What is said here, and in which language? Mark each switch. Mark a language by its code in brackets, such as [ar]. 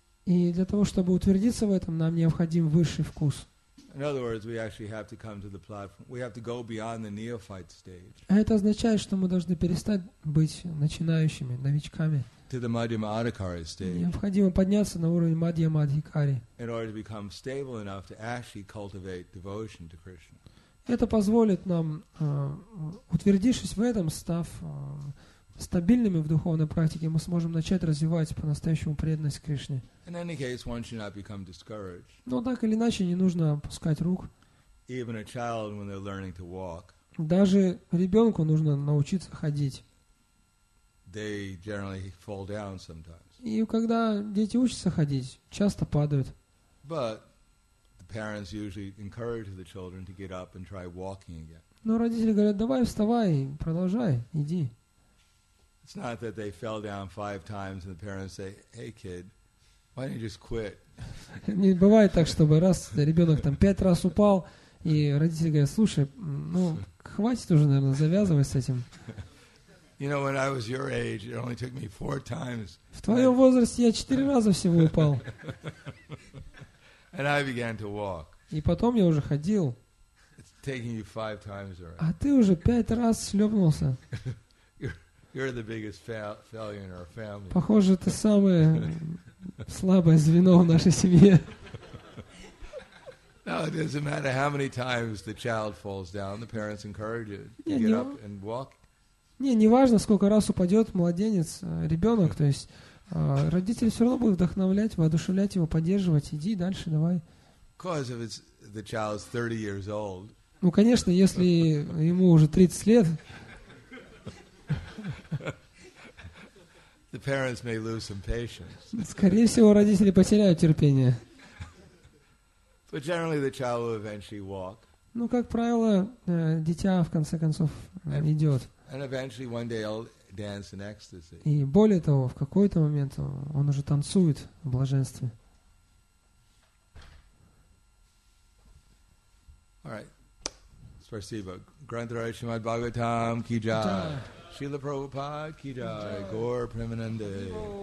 [ru] И для того, чтобы утвердиться в этом, нам необходим высший вкус. [en] In other words, we actually have to come to the platform. We have to go beyond the neophyte stage. [ru] А это означает, что мы должны перестать быть начинающими, новичками. [en] To the Madhyama Adhikari stage. [ru] Необходимо подняться на уровень Madhyama Adhikari. [en] In order to become stable enough to actually cultivate devotion to Krishna. [ru] Это позволит нам, утвердившись в этом, став стабильными в духовной практике, мы сможем начать развивать по-настоящему преданность Кришне. [en] In any case, one should not become discouraged. [ru] Но так или иначе, не нужно опускать рук. [en] Even a child, when they're learning to walk, [ru] даже ребенку нужно научиться ходить. [en] They generally fall down sometimes. [ru] И когда дети учатся ходить, часто падают. [en] But the parents usually encourage the children to get up and try walking again. [ru] Но родители говорят, давай вставай, продолжай, иди. [en] It's not that they fell down five times and the parents say, "Hey, kid, why don't you just quit?" [ru] Не бывает так, чтобы раз ребенок там пять раз упал и родители говорят, "Слушай, ну хватит уже, наверное, завязывай с этим." [en] You know, when I was your age, it only took me four times. [ru] В твоем возрасте я четыре раза всего упал. [en] And I began to walk. [ru] И потом я уже ходил. [en] It's taking you five times already. [ru] А ты уже пять раз шлепнулся. [en] You're the biggest failure in our family. [ru] Похоже, ты самое слабое звено в нашей семье. [en] No, it doesn't matter how many times the child falls down, the parents encourage it to get up and walk. [ru] Не важно, сколько раз упадет младенец, ребенок, то есть Родители все равно будут вдохновлять, воодушевлять его, поддерживать. Иди дальше, давай. [en] Because if it's the child's 30 years old. [ru] Ну, конечно, если ему уже 30 лет. [en] The parents may lose some patience. [ru] Скорее всего, родители потеряют терпение. [en] But generally, the child will eventually walk. [ru] Ну, как правило, дитя в конце концов идет. [en] And eventually, one day, I'll dance in ecstasy. [ru] И более того, в какой-то момент он уже танцует в блаженстве. [en] All right. [ru] Спасибо. Грандхарай Шримад Бхагаватам Ки Джай. Шрила Прабхупада Ки Джай. Гаура Премананде.